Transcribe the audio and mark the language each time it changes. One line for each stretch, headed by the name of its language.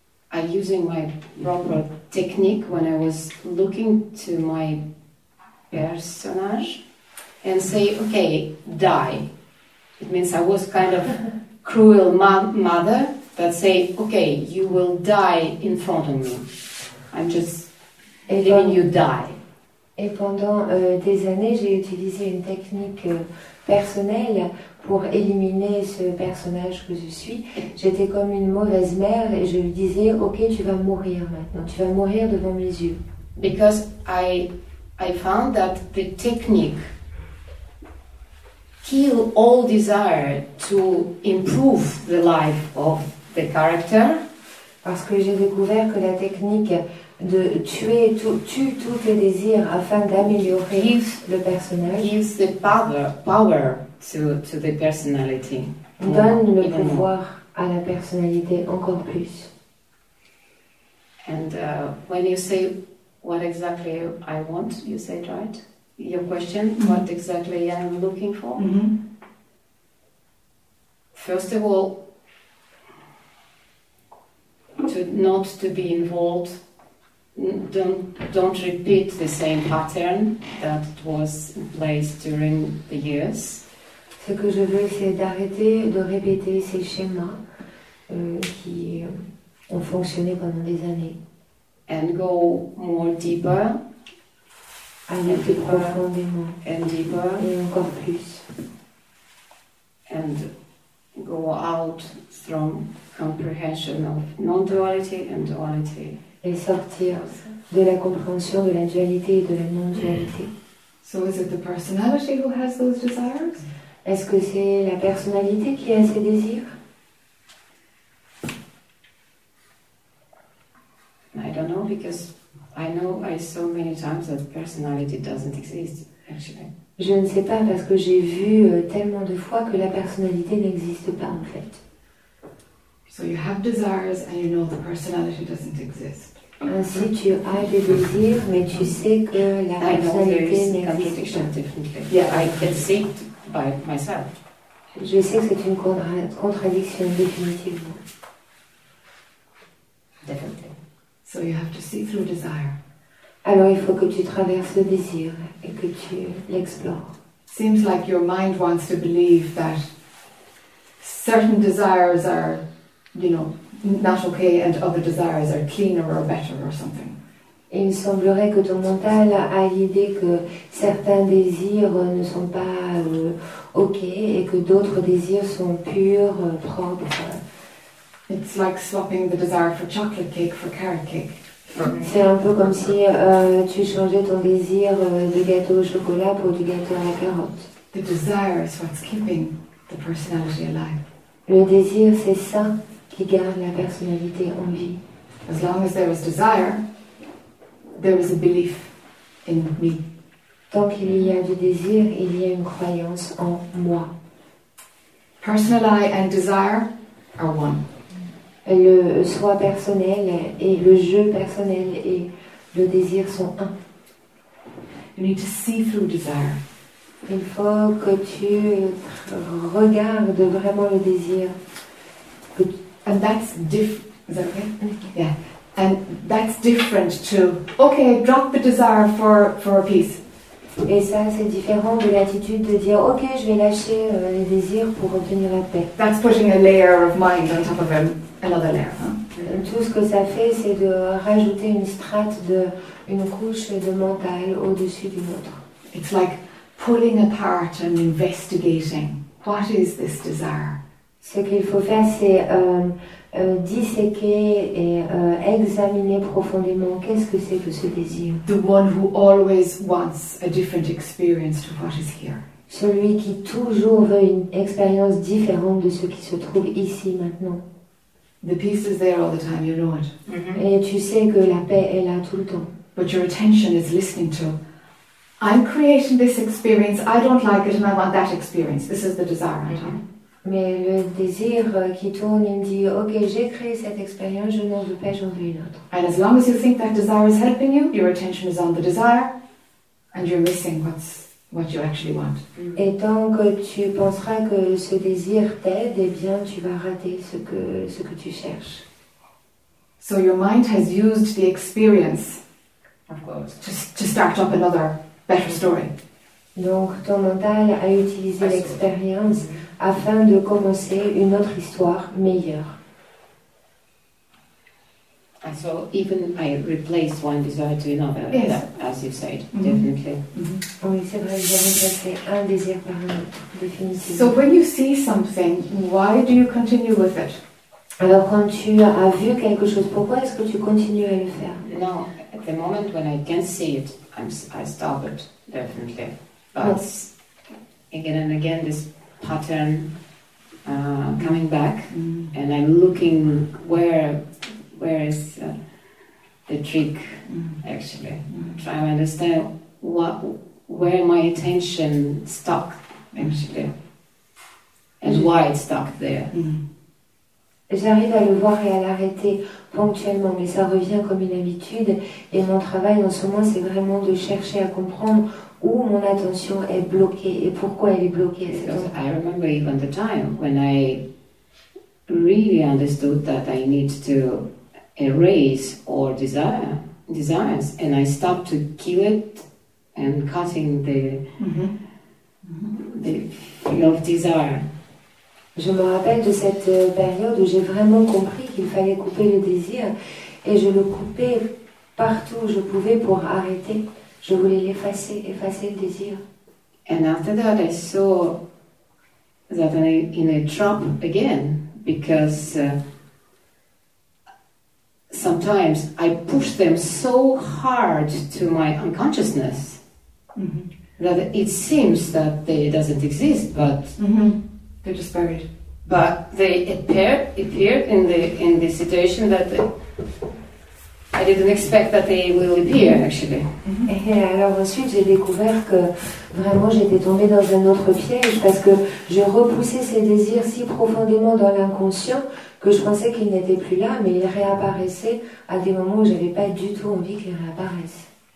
English: I using my proper technique when I was looking to my personage and say, okay, die. It means I was kind of cruel mother that say, okay, you will die in front of me. I'm just letting you die.
French: Et pendant des années, j'ai utilisé une technique personnelle pour éliminer ce personnage que je suis. J'étais comme une mauvaise mère et je lui disais, ok, tu vas mourir maintenant, tu vas mourir devant mes yeux.
English: Because I found that the technique kill all desire to improve the life of the character.
French: Parce que j'ai découvert que la technique de tuer tous tes désirs afin d'améliorer le personnage.
English: Gives the power to the personality.
French: Donne le pouvoir à la personnalité encore plus.
English: And when you say what exactly I want, you said right? Your question, mm-hmm. What exactly I'm looking for? Mm-hmm. First of all, to not to be involved. Don't repeat the same pattern that was in place during the years.
French: Ce que je veux, c'est d'arrêter de répéter ces schémas qui ont fonctionné pendant des années.
English: And go more deeper.
French: Aller plus profondément.
English: And deeper.
French: Et encore plus.
English: And go out from comprehension of non-duality and duality.
French: Et sortir de la compréhension de la dualité et de la non-dualité.
English: So is it the personality who has those desires?
French: Est-ce que c'est la personnalité qui a ces désirs?
English: I don't know because I know I so many times that personality doesn't exist actually.
French: Je ne sais pas parce que j'ai vu tellement de fois que la personnalité n'existe pas en fait.
English: So you have desires and you know the personality doesn't exist.
French: Ainsi, tu as des désirs, mais tu sais que la personnalité n'existe pas.
English: Yeah, I can see it by myself.
French: Je sais que c'est une contradiction définitivement.
English: Definitely. So you have to see through desire.
French: Alors, il faut que tu traverses le désir et que tu l'explores.
English: Seems like your mind wants to believe that certain desires are, you know, not okay, and other desires are cleaner or better or something.
French: Il semblerait que ton mental a l'idée que certains désirs ne sont pas ok et que d'autres désirs sont purs, propres.
English: It's like swapping the desire for chocolate cake for carrot cake.
French: C'est un peu comme si tu changeais ton désir de gâteau au chocolat pour du gâteau à la carotte.
English: The desire is what's keeping the personality alive.
French: Le désir, c'est ça. Qui garde la personnalité en vie.
English: As long as there was desire, there was a belief in me.
French: Tant qu'il y a du désir, il y a une croyance en moi.
English: Personal I and desire are one.
French: Le soi personnel et le je personnel et le désir sont un.
English: You need to see through desire.
French: Il faut que tu regardes vraiment le désir.
English: And that's is that okay? Yeah. And that's different to okay, drop the desire for a piece.
French: Et ça, c'est différent de l'attitude de dire ok, je vais lâcher les désirs pour obtenir la paix.
English: That's pushing a layer of mind on top of another layer. Huh?
French: Tout ce que ça fait, c'est de rajouter une strate de une couche de mental au-dessus d'une autre.
English: It's like pulling apart and investigating. What is this desire?
French: Ce qu'il faut faire, c'est disséquer et examiner profondément qu'est-ce que c'est que ce désir.
English: The one who always wants a different experience to what is here.
French: Celui qui toujours veut une expérience différente de ce qui se trouve ici maintenant.
English: The peace is there all the time, you know it. Mm-hmm.
French: Et tu sais que la paix est là tout le temps.
English: But your attention is listening to, I'm creating this experience, I don't like it and I want that experience. This is the desire, right? Mm-hmm.
French: Mais le désir qui tourne, il me dit, ok, j'ai créé cette expérience, je n'en veux pas, j'en veux une autre.
English: And as long as you think that desire is helping you, your attention is on the desire, and you're missing what you actually want.
French: Et tant que tu penseras que ce désir t'aide, eh bien, tu vas rater ce que tu cherches.
English: So your mind has used the experience, of course, to start up another better story.
French: Donc ton mental a utilisé l'expérience afin de commencer une autre histoire meilleure.
English: And so even I replace one desire to another, yes. As you said, definitely.
French: Oui, c'est vrai, j'ai remplacé un désir par un autre, définitivement.
English: So when you see something, why do you continue with it?
French: Alors quand tu as vu quelque chose, pourquoi est-ce que tu continues à le faire?
English: No, at the moment when I can see it, I stop it, definitely. But again and again, this pattern coming back, and I'm looking where is the trick, actually. Try to understand where my attention stuck, actually, and why it stuck there.
French: J'arrive à le voir et à l'arrêter ponctuellement, mais ça revient comme une habitude, et mon travail en ce moment, c'est vraiment de chercher à comprendre où mon attention est bloquée et pourquoi elle est bloquée.
English: I remember even the time when I really understood that I need to erase all desires, and I stopped to kill it and cutting the field of desire.
French: Je me rappelle de cette période où j'ai vraiment compris qu'il fallait couper le désir, et je le coupais partout où je pouvais pour arrêter. Je voulais effacer le désir.
English: And after that, I saw that I'm in a trap again, because sometimes I push them so hard to my unconsciousness that it seems that they doesn't exist, but they're just buried. But they appear in the situation that I didn't expect that they will appear, actually.
French: Et alors ensuite, j'ai découvert que vraiment j'étais tombée dans un autre piège, parce que je repoussais ces désirs si profondément dans l'inconscient que je pensais qu'ils n'étaient plus là, mais ils réapparaissaient à des moments où j'avais pas du tout envie qu'ils réapparaissent.